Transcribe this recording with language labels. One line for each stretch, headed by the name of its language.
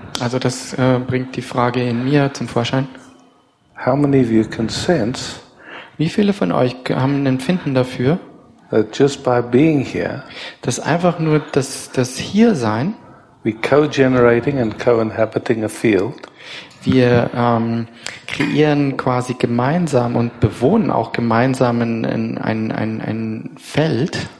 German: Also das bringt die Frage in mir zum Vorschein.
English: How many of you can sense?
German: Wie viele von euch haben ein Empfinden dafür?
English: That just by being here.
German: Dass einfach nur das hier sein.
English: We co-generating and co-inhabiting a field.
German: Wir kreieren quasi gemeinsam und bewohnen auch gemeinsam ein Feld.